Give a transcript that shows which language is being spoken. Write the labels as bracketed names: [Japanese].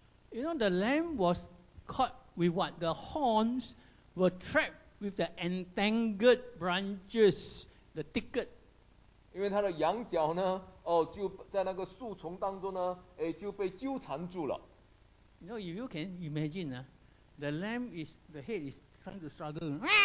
[English] You know, the lamb was caught with what? The horns were trapped with the entangled branches, the thicket. [Chinese] 因为他的羊角呢, 就在那个树丛当中呢, 就被纠缠住了. [English] You know, if you can imagine, the lamb is, the head is trying to struggle.